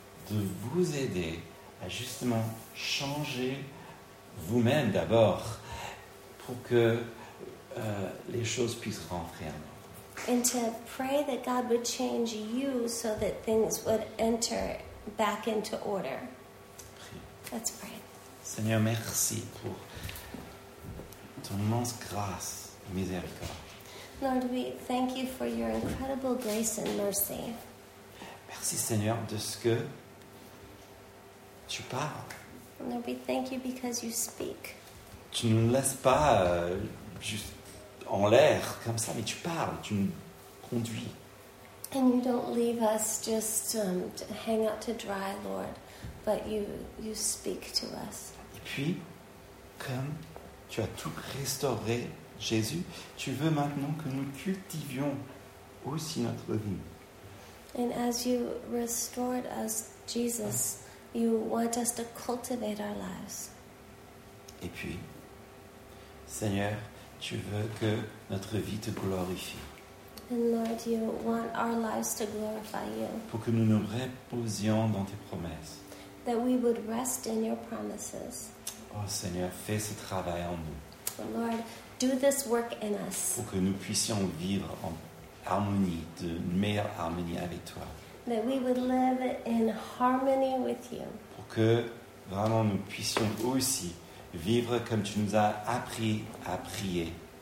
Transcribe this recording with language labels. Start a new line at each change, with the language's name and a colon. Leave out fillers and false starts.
French: De vous aider à justement changer vous-même d'abord pour que les choses puissent rentrer en ordre.
English: And to pray that God would change you so that things would enter back into order.
French: Prie.
English: Let's pray.
French: Seigneur, merci pour ton immense grâce et miséricorde.
English: Lord, we thank you for your incredible grace and mercy.
French: Merci, Seigneur, de ce que tu parles.
English: Lord, we thank you because you speak.
French: Tu ne nous laisses pas juste en l'air comme ça, mais tu parles, tu nous conduis.
English: And you don't leave us just to hang out to dry, Lord, but you speak to us.
French: Et puis, comme tu as tout restauré, Jésus, tu veux maintenant que nous cultivions aussi notre vie.
English: And as you restored us, Jesus, you want us to cultivate our lives.
French: Et puis, Seigneur, tu veux que notre vie te glorifie.
English: And Lord, you want our lives to glorify you.
French: Pour que nous nous reposions dans tes promesses.
English: That we would rest in your promises.
French: Oh Seigneur, fais ce travail en nous.
English: Lord, do this work in us.
French: Pour que nous puissions vivre en harmonie, de meilleure harmonie avec toi.
English: That we would live in harmony with you.
French: Pour que vraiment nous puissions aussi vivre comme tu nous as appris à prier.